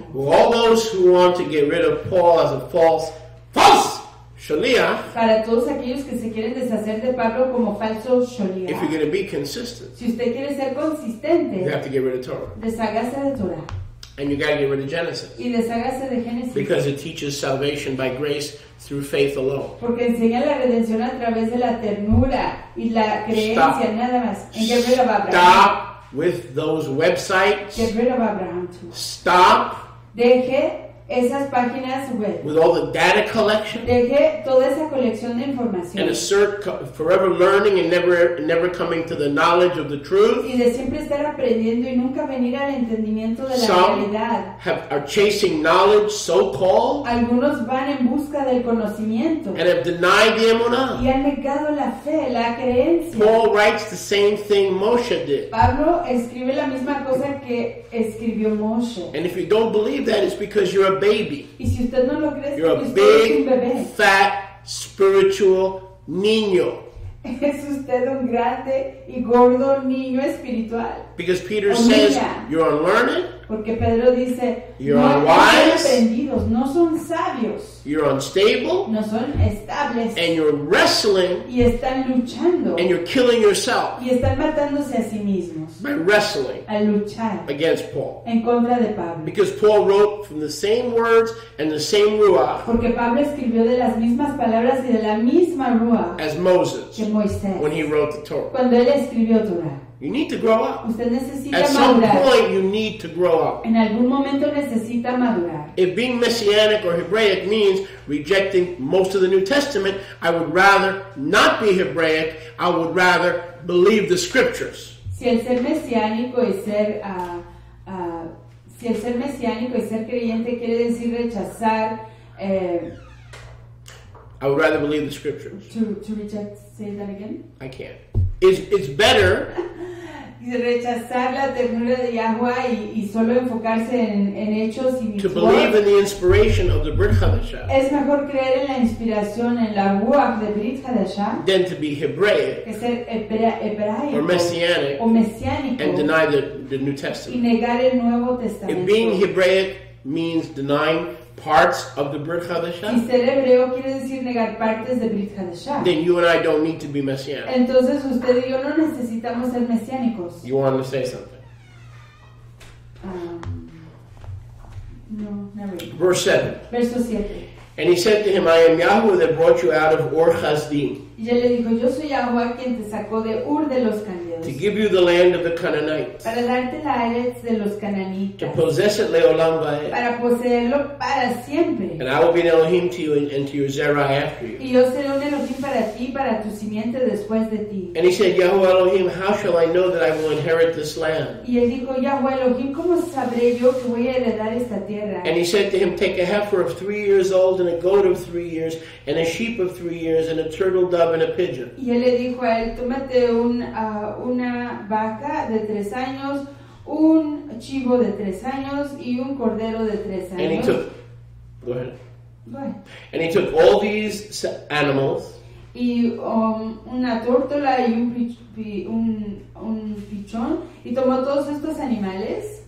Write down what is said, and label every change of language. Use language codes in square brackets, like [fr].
[en] Well, all those who want to get rid of Paul as a false shaliach. [es] Para todos aquellos que se quieren deshacer de Pablo como falso shaliach. [en] If you're going to be consistent. [es] Si usted quiere ser consistente. [en] You have to get rid of Torah. [es] Deshágase de Torah. [en] And you got to get rid of Genesis. [es] Y deshágase de Génesis. [en] Because it teaches salvation by grace through faith alone. [es] Porque enseña la redención a través de la ternura y la creencia. [en] Stop. [es] Nada más. En Gabriel Abraham. [en] Stop with those websites. Gabriel Abraham too. Stop. [es] Deje. Esas páginas web. [en] With all the data collection. [es] Deje toda esa colección de información. [en] And assert forever learning and never coming to the knowledge of the truth. [es] Y de siempre estar aprendiendo y nunca venir al entendimiento de la realidad. [en] Are chasing knowledge, so-called. [es] Algunos van en busca del conocimiento. [en] And have denied the emunah. [es] Y han negado la fe, la creencia. [en] Paul writes the same thing Moshe did. [es] Pablo escribe la misma cosa que escribió Moshe. [en] And if you don't believe that, it's because you're a baby. [es] Y si usted no lo cree, [en] you're a big, [es] bebé. [en] Fat, spiritual [es] niño. Es usted un grande y gordo niño espiritual. [en] Because Peter says you're unlearned. [es] Porque Pedro dice, [en] you're [es] no [en] unwise. [es] No son sabios. [en] You're unstable. [es] No son estables. [en] And you're wrestling. [es] Y están luchando. [en] And you're killing yourself. [es] Y están matándose a sí mismos. [en] By wrestling. [es] A luchar. [en] Against Paul. [es] En contra de Pablo. [en] Because Paul wrote from the same words and the same ruach. [es] Porque Pablo escribió de las mismas palabras y de la misma ruach. [en] As Moses. [es] Que Moisés. [en] When he wrote the Torah. [es] Cuando él escribió Torah. [en] You need to grow up. [es] Usted necesita [en] At some [es] madurar. [en] Point, you need to grow up. [es] En algún momento necesita madurar. [en] If being Messianic or Hebraic means rejecting most of the New Testament, I would rather not be Hebraic. I would rather believe the Scriptures. [es] Si el ser mesiánico y ser si el ser mesiánico y ser creyente quiere decir rechazar [en] I would rather believe the Scriptures. To reject, say that again? I can't. It's better. [es] Rechazar la ternura de Yahuwah y solo enfocarse en hechos y [en] to believe in the inspiration of the Brit Hadashah. [es] Es mejor creer en la inspiración en la Ruach de Brit Hadashah. [en] Than to be Hebraic. [es] Que ser hebraico. [en] Or Messianic. [es] O mesiánico. [en] And deny the New Testament. [es] Y negar el Nuevo Testamento. [en] If being Hebraic means denying parts of the Brit Hadashah. [es] Y ser hebreo quiere decir negar partes de Brit Hadashah. [en] Then you and I don't need to be messianic. [es] Entonces usted y yo no necesitamos ser mesiánicos. [en] You want to say something? No, never. Really. Verse 7. [es] Verso 7. [en] And he said to him, I am Yahuwah that brought you out of Ur Chasdim. [es] Y él le dijo, yo soy Yahuwah quien te sacó de Ur de los Cananeos. [en] To give you the land of the Canaanites. [es] Para darte la eretz de los cananitas. [en] To possess it leolam vaed. [es] Para poseerlo para siempre. [en] And I will be an Elohim to you and to your Zerah after you. [es] Y yo seré un Elohim para ti, para tu simiente después de ti. [en] And he said, Yahuwah Elohim, how shall I know that I will inherit this land? [es] Y él dijo, Yahuwah Elohim, ¿cómo sabré yo que voy a heredar esta tierra? [en] And he said to him, take a heifer of 3 years old and a goat of 3 years and a sheep of 3 years and a turtle dove and a pigeon. [es] Y él le dijo a él, tómate una vaca de 3 años, un chivo de 3 años y un cordero de 3 años. [en] And he took, go ahead. And he took all these animals. [es] Y una tórtola y un pichón y tomó todos estos animales.